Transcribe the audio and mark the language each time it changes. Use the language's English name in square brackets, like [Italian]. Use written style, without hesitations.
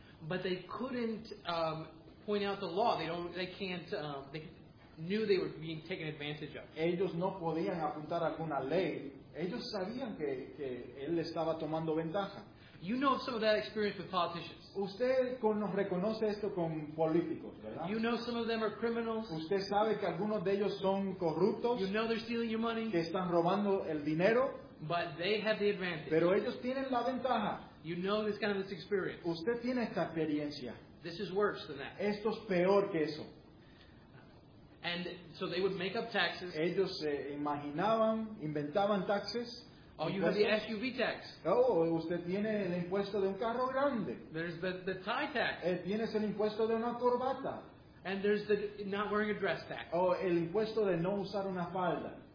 [English] But they couldn't point out the law. They knew they were being taken advantage of. [Spanish] Ellos no podían apuntar alguna ley. Ellos sabían que él estaba tomando ventaja. [English] You know some of that experience with politicians. [Spanish] Usted reconoce esto con políticos, ¿verdad? [English] You know some of them are criminals. [Spanish] Usted sabe que algunos de ellos son corruptos. [English] You know they're stealing your money. [Spanish] Que están robando el dinero. [English] But they have the advantage. [Spanish] Pero ellos tienen la ventaja. [English] You know this kind of this experience. [Spanish] Usted tiene esta experiencia. [English] This is worse than that. [Spanish] Esto es peor que eso. [English] And so they would make up taxes. [Spanish] Ellos se imaginaban, inventaban taxes. [English] Oh, you have the SUV tax. [Spanish] Oh, usted tiene el impuesto de un carro grande. [English] There's the tie tax. [Spanish] Tienes el impuesto de una corbata. [English] And there's the not wearing a dress tax. [Spanish] Oh, el impuesto de no usar una falda.